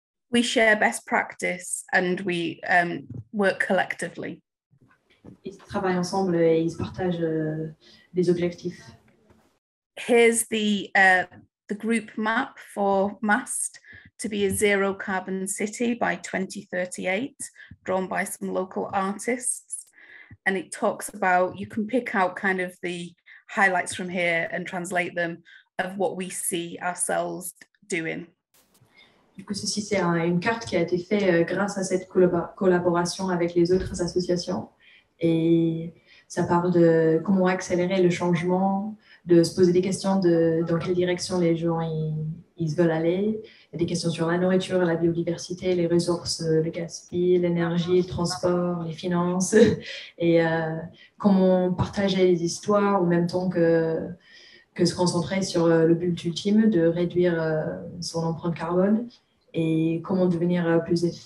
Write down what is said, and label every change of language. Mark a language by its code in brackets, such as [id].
[en] We share best practice and we work collectively. [fr] Ils travaillent ensemble et ils partagent des objectifs. [en] Here's the group map for MAST. To be a zero carbon city by 2038, drawn by some local artists. And it talks about, you can pick out kind of the highlights from here and translate them of what we see ourselves doing. [fr] Du coup, ceci, c'est une carte qui a été faite grâce à cette collaboration avec les autres associations. Et ça parle de comment accélérer le changement, de se poser des questions de dans quelle direction les gens ils veulent aller. Il y a des questions sur la nourriture, la biodiversité, les ressources, le gaspillage, l'énergie, le transport, les finances, et comment partager les histoires en même temps que se concentrer sur le but ultime de réduire son empreinte carbone, et comment devenir plus